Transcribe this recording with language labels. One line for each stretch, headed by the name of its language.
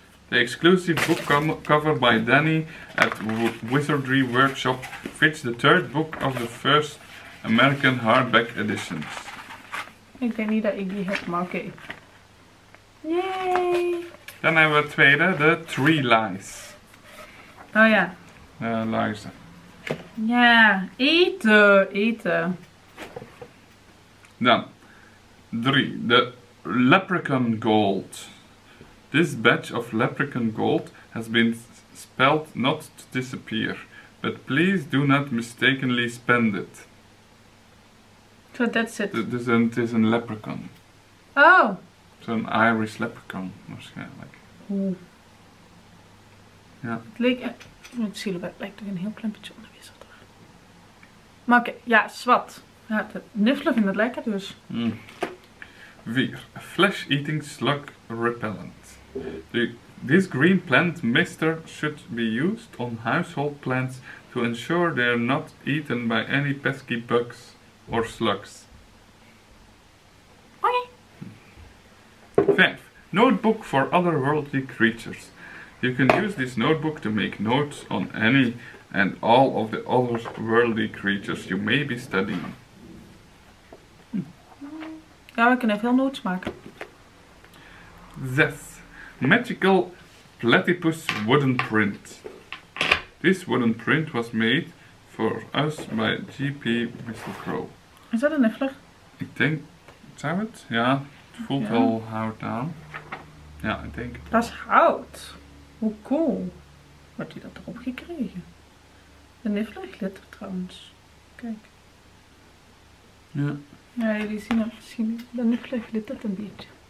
English: The exclusive book cover by Danny at Wizardry Workshop fits the third book of the first American hardback editions.
Dutch: Ik denk niet dat ik die heb, maar oké. Yay! Dan hebben we het tweede, The Three Lies. Oh ja. Luister. Ja, eten. Dan, 3. The Leprechaun Gold.
English: This batch of Leprechaun Gold has been spelled not to disappear, but please do not mistakenly spend it. So that's it. It is a leprechaun. Oh. So an Irish leprechaun,
Dutch: waarschijnlijk. Oeh. Ja. Het leek, het silhouet lijkt er een heel klein beetje onderwisseld. Maar oké, ja, zwart. Ja, het nuffelen vind ik lekker dus.
English: 4. Flesh eating slug repellent. This green plant mister should be used on household plants to ensure they are not eaten by any pesky bugs or slugs. Okay. 5. Notebook for otherworldly creatures. You can use this notebook to make notes on any and all of the otherworldly creatures you may be studying.
Dutch: Ja, we kunnen veel notes maken.
English: 6. Magical platypus wooden print. This wooden print was made for us by G.P. Mistletoe.
Dutch: Is dat een niffler? Ik denk, zou het? Ja, het voelt wel hout aan. Ja, ik denk. Dat is hout. Hoe cool. Wordt hij dat erop gekregen? De niffler glittert trouwens. Kijk. Ja. Ja, jullie zien het misschien. De niffler glittert een beetje.